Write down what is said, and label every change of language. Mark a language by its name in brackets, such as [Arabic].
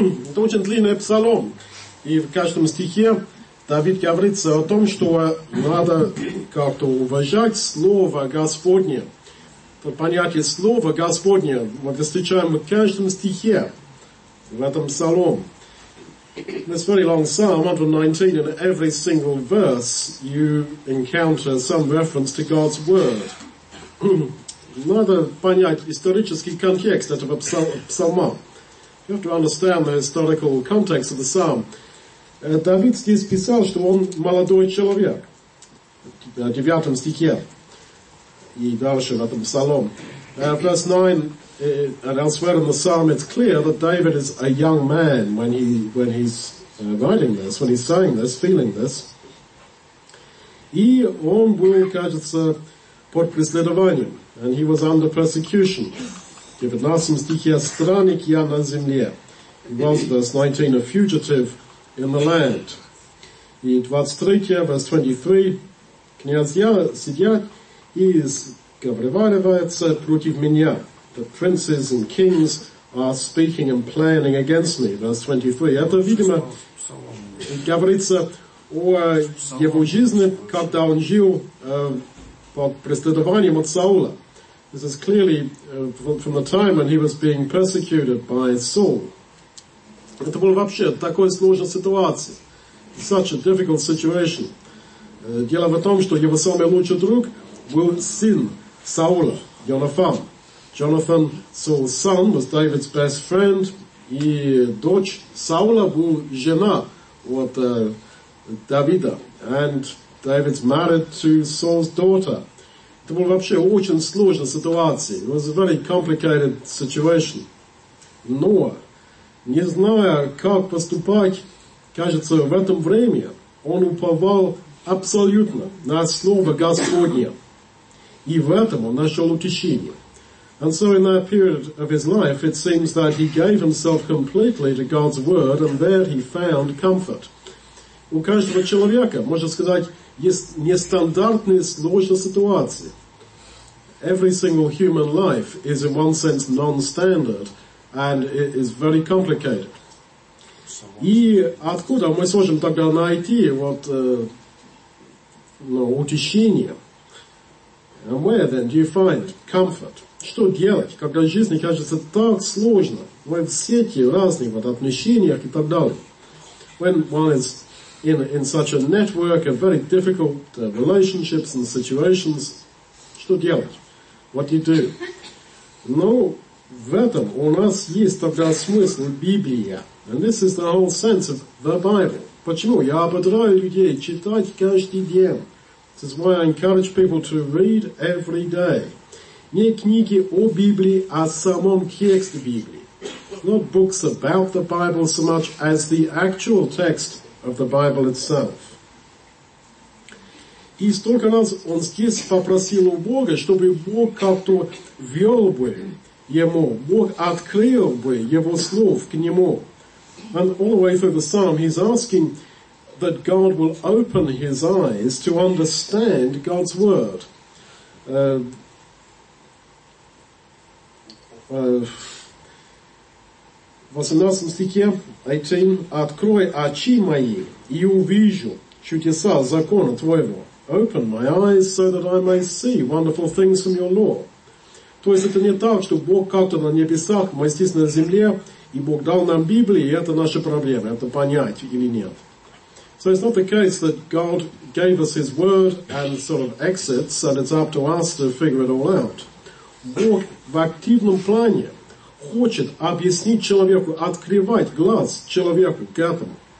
[Russian] Это очень длинный псалом. И в каждом стихе Давид говорится о том, что надо как-то уважать Слово Господне. Это понятие Слова Господне мы встречаем в каждом стихе, в этом псалом. [English] It's a very long psalm, 119, and every single verse you encounter some reference to God's Word. [Russian] Надо понять исторический контекст этого псалма. [English] You have to understand the historical context of the psalm. [Russian] Давид здесь писал, что он молодой человек, в 9 стихе, и дальше в этом псалом. [English] Verse 9, and elsewhere in the psalm, it's clear that David is a young man when he's saying this, feeling this. [Russian] И он был, кажется, под преследованием, [English] and he was under persecution. [Russian] В 19 стихе, странник я на земле. [English] He was, verse 19, a fugitive in the land. [Russian] И 23, [English] verse 23, [Russian] князья сидят и сговариваются против меня. [English] The princes and kings are speaking and planning against me. Verse 23. [Russian] Это, видимо, говорится о его жизни, когда он жил под преследованием от Саула. [English] This is clearly from the time when he was being persecuted by Saul. [Russian] Это была вообще такая сложная ситуация. [English] Such a difficult situation. [Russian] Дело в том, что его самый лучший друг был сын Саула, Йонафан. [English] Jonathan, Saul's son, was David's best friend. [Russian] И дочь Саула была жена от Давида. [English] And David's married to Saul's daughter. [Russian] Это была вообще очень сложная ситуация. [English] It was a very complicated situation. [Russian] Но, не зная, как поступать, кажется, в этом времени, он уповал абсолютно на Слово Господне. И в этом он нашел утешение. [English] And so in that period of his life, it seems that he gave himself completely to God's Word, and there he found comfort. [Russian] У каждого человека, можно сказать, есть нестандартная сложная ситуация. [English] Every single human life is in one sense non-standard, and it is very complicated. [Russian] И откуда мы сможем тогда найти вот утешение? [English] And where then do you find comfort? [Russian] Что делать, когда жизнь кажется так сложно? Мы все эти разные вот отношения и так далее. [English] When one is in such a network of very difficult relationships and situations, [Russian] что делать? [English] What do you do? [Russian] Но в этом у нас есть тогда смысл Библии. [English] And this is the whole sense of the Bible. [Russian] Почему? Я ободряю людей читать каждый день. [English] This is why I encourage people to read every day. [Russian] Не книги о Библии, а самом тексте Библии. [English] Not books about the Bible so much as the actual text of the Bible itself. [Russian] И столько раз он здесь попросил у Бога, чтобы Бог как-то вел бы ему, Бог открыл бы его слов к нему. [English] And all the way through the psalm he's asking that God will open his eyes to understand God's word. [Russian] В 18 стихе 18 «Открой очи мои, и увижу чудеса закона твоего». [English] «Open my eyes so that I may see wonderful things from your law». [Russian] То есть это не так, что Бог как-то на небесах, мы здесь на земле, и Бог дал нам Библию, и это наша проблема, это понять или нет. [English] So it's not the case that God gave us his word and sort of exits, and it's up to us to figure it all out. [Russian] Бог в активном плане хочет объяснить человеку, открывать глаз человеку к этому.